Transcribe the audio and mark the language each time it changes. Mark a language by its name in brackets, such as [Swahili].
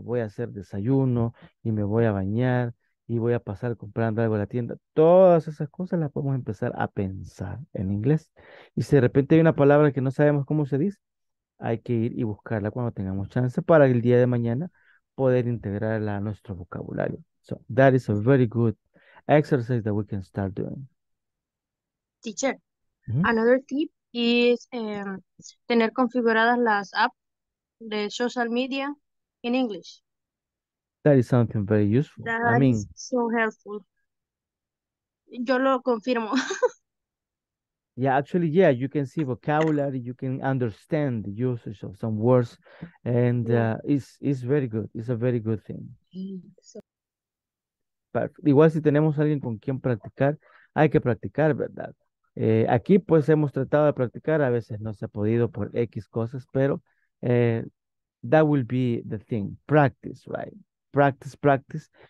[Spanish] Voy a hacer desayuno y me voy a bañar y voy a pasar comprando algo a la tienda. Todas esas cosas las podemos empezar a pensar en inglés. Y si de repente hay una palabra que no sabemos cómo se dice, hay que ir y buscarla cuando tengamos chance para el día de mañana poder integrarla a nuestro vocabulario. [English] So, that is a very good exercise that we can start doing. Teacher, another tip is [Spanish] tener configuradas las apps de [English] social media in English. That is something very useful. That I mean, is so helpful. [Spanish] Yo lo confirmo. [English] Yeah, actually, yeah, you can see vocabulary, you can understand the usage of some words, and it's very good. It's a very good thing. Perfect. [Spanish] Igual si tenemos alguien con quien practicar, hay que practicar, ¿verdad? Aquí, pues, hemos tratado de practicar, a veces no se ha podido por X cosas, pero [English] that will be the thing, practice, right? Practice, practice.